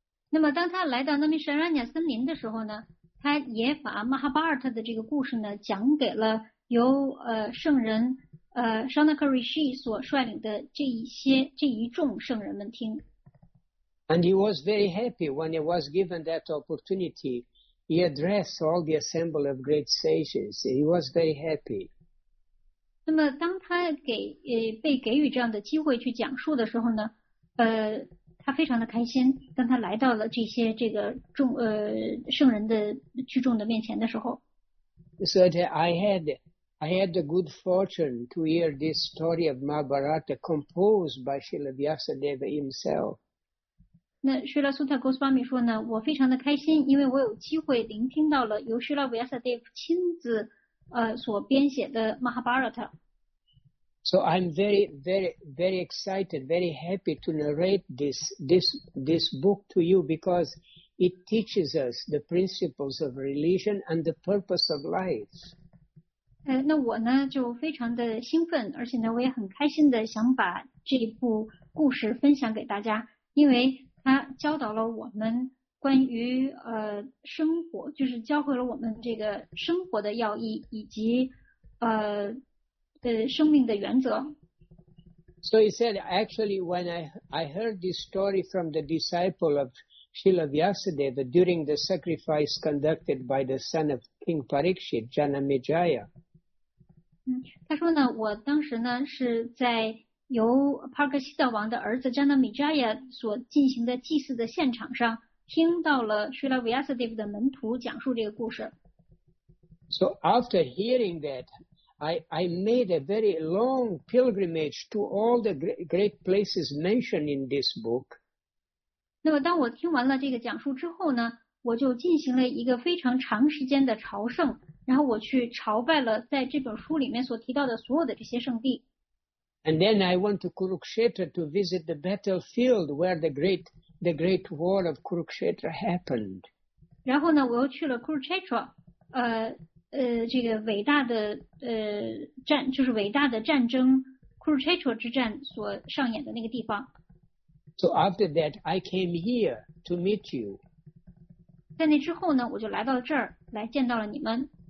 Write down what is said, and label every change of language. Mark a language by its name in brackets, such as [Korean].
[Chinese] 那么当他来到那米什拉尼亚森林的时候呢，他也把 Mahabharata 的这个故事呢讲给了由圣人Shonaka Rishi 所率领的这一众圣人们听。 [English] And he was very happy when he was given that opportunity. He addressed all the assembly of great sages. He was very happy. [Chinese] 那么当他被给予这样的机会去讲述的时候呢，他非常的开心，当他来到了这些这个众圣人的聚众的面前的时候。 [English] So that I had the good fortune to hear this story of Mahabharata composed by Srila Vyasadeva himself. [Chinese] 那 Srila Sutta Goswami 说呢，我非常的开心，因为我有机会聆听到了由 Srila Vyasadeva 亲自所编写的 Mahabharata。 [English] So I'm very, very, very excited, very happy to narrate this book to you because it teaches us the principles of religion and the purpose of life. [Chinese] 那我呢就非常的兴奋，而且呢我也很开心的想把这部故事分享给大家，因为它教导了我们关于生活，就是教会了我们这个生活的要义以及生命的原则。 [English] So he said, actually, when I heard this story from the disciple of Srila Vyasadeva during the sacrifice conducted by the son of King Parikshit, Janamejaya. [Chinese] 他说呢，我当时呢是在由帕克西特王的儿子 Janamejaya 所进行的祭祀的现场上，听到了 Srila Vyasadeva 的门徒讲述这个故事。 [English] So after hearing that,I made a very long pilgrimage to all the great places mentioned in this book. [Chinese] 那么当我听完了这个讲述之后呢，我就进行了一个非常长时间的朝圣，然后我去朝拜了在这本书里面所提到的所有的这些圣地。 [English] And then I went to Kurukshetra to visit the battlefield where the great war of Kurukshetra happened. [Chinese] 然后呢，我又去了 Kurukshetra, 这个伟大的战，就是伟大的战争 Kurukshetra 之战所上演的那个地方。 [English] So after that, I came here to meet you. [Chinese] 在那之后呢，我就来到这儿来见到了你们。